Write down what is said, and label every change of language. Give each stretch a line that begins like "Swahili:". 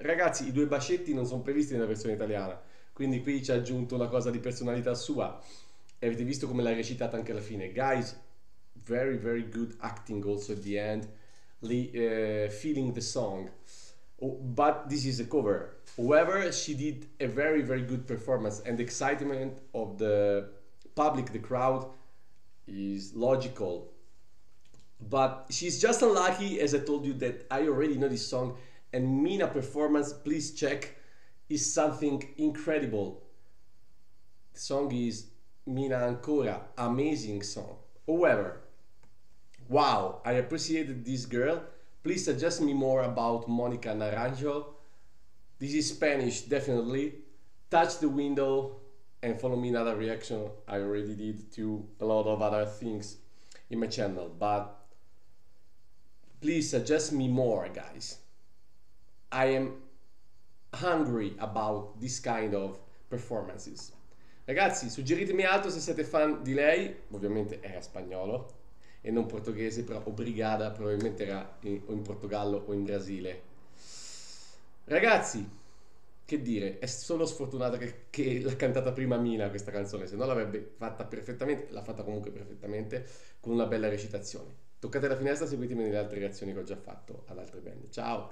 Italian: Ragazzi, i due bacetti non sono previsti nella versione italiana, quindi qui ci ha aggiunto una cosa di personalità sua. Avete visto come l'ha recitata anche alla fine.
English: Guys, very very good acting also at the end. Feeling the song. But this is a cover. However, she did a very very good performance and excitement of the public, the crowd, is logical. But she's just unlucky, as I told you, that I already know this song, and Mina performance, please check, is something incredible. The song is Mina Ancora, amazing song. However, wow, I appreciated this girl. Please suggest me more about Monica Naranjo. This is Spanish, definitely. Touch the window and follow me in other reaction I already did to a lot of other things in my channel, but please suggest me more, guys. I am hungry about this kind of performances.
Italian: Ragazzi, suggeritemi altro se siete fan di lei. Ovviamente era spagnolo e non portoghese, però obrigada, probabilmente era in Portogallo o in Brasile. Ragazzi, Che dire, è solo sfortunato che l'ha cantata prima Mina questa canzone, se no l'avrebbe fatta perfettamente, l'ha fatta comunque perfettamente, con una bella recitazione. Toccate la finestra, seguitemi nelle altre reazioni che ho già fatto ad altre band. Ciao!